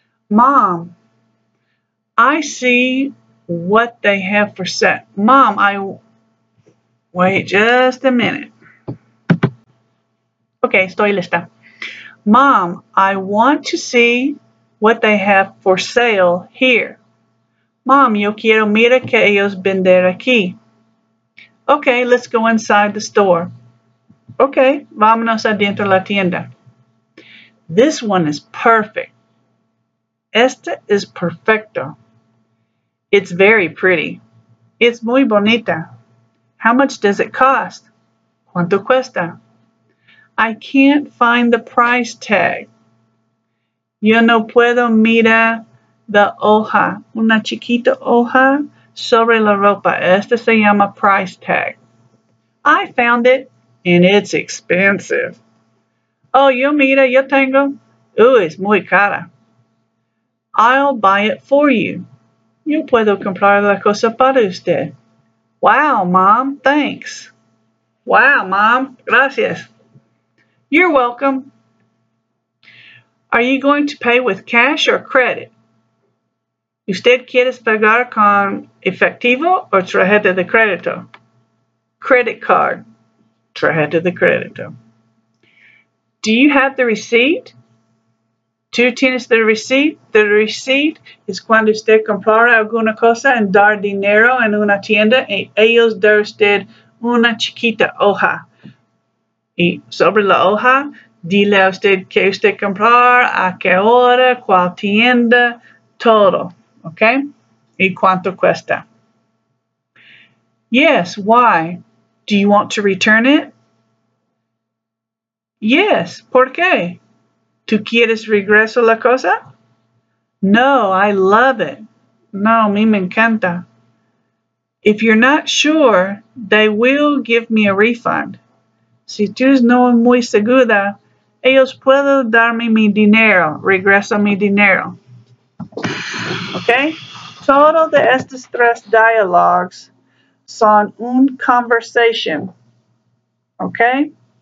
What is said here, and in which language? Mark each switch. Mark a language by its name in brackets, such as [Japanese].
[English] Mom, I see what they have for sale. Mom, I... Wait just a minute. [Spanish] Okay, estoy lista. [English] Mom, I want to see what they have for sale here. [Spanish] Mom, yo quiero mirar que ellos venden aquí. [English] Okay, let's go inside the store. Okay, [Spanish] vámonos adentro la tienda. [English] This one is perfect. [Spanish] Esta es perfecto. [English] It's very pretty. It's [Spanish] muy bonita. [English] How much does it cost? [Spanish] ¿Cuánto cuesta? [English] I can't find the price tag. [Spanish] Yo no puedo mirar la hoja, una chiquita hoja sobre la ropa. Esta se llama price tag. [English] I found it. And it's expensive. [Spanish] Oh, yo mira, yo tengo. Es muy cara. [English] I'll buy it for you. [Spanish] Yo puedo comprar la cosa para usted. [English] Wow, Mom, thanks. [Spanish] Wow, Mom, gracias. [English] You're welcome. Are you going to pay with cash or credit? [Spanish] ¿Usted quiere pagar con efectivo o tarjeta de crédito? [English] Credit card. Ahead to the creditor. Do you have the receipt? [Spanish] ¿Tú tienes [English] the receipt? [Spanish] The receipt is cuando usted compara alguna cosa y dar dinero en una tienda y ellos dar usted una chiquita hoja. Y sobre la hoja, dile a usted que usted comprar, a qué hora, cuál tienda, todo. Okay? ¿Y cuánto cuesta? [English] Yes, why? Do you want to return it? [Spanish] Yes, ¿por qué? ¿Tú quieres regreso la cosa? [English] No, I love it. [Spanish] No, me encanta. [English] If you're not sure, they will give me a refund. [Spanish] Si tú no muy segura, ellos pueden darme mi dinero, regreso mi dinero. Okay? Todo de estos tres dialogues son un conversation. Okay?